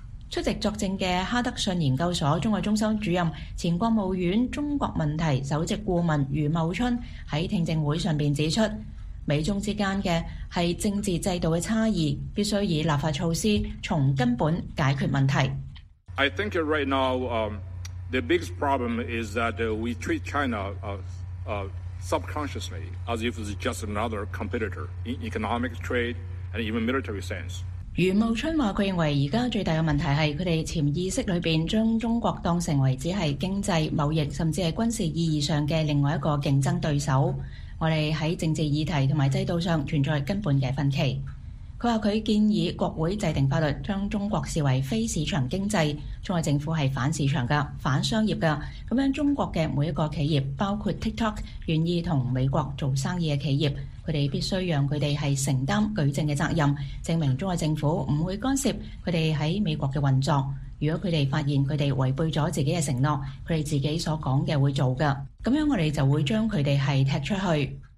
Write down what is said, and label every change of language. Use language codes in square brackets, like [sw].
[zh] 出席作證的哈德遜研究所中外中心主任、前國務院中國問題首席顧問余茂春在聽證會上指出，美中之間的是政治制度的差異，必須以立法措施從根本解決問題。 [en] I think right now the biggest problem is that we treat China subconsciously as if it's just another competitor in economic, trade and even military sense。 [zh] 余茂春說他認為現在最大的問題是他們潛意識裡面將中國當成為只是經濟、貿易甚至是軍事意義上的另外一個競爭對手，我們在政治議題和制度上存在根本的分歧。他說他建議國會制定法律將中國視為非市場經濟，中國政府是反市場的、反商業的，這樣中國的每一個企業包括 TikTok 願意和美國做生意的企業，他們必須讓他們是承擔舉證的責任，證明中國政府不會干涉他們在美國的運作，如果他們發現他們違背了自己的承諾，他們自己所說的會做的，這樣我們就會將他們是踢出去。